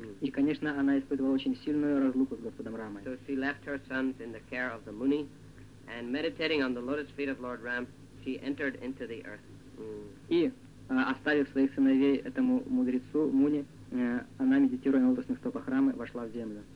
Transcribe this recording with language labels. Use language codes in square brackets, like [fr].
[ru] И, конечно, она испытывала очень сильную разлуку с Господом Рамой. [en] So she left her sons in the care of the Muni, and meditating on the lotus feet of Lord Ram, she entered into the earth. [ru] И оставив своих сыновей этому мудрецу Муни, она, медитируя на лотосных стопах Рамы, вошла в землю.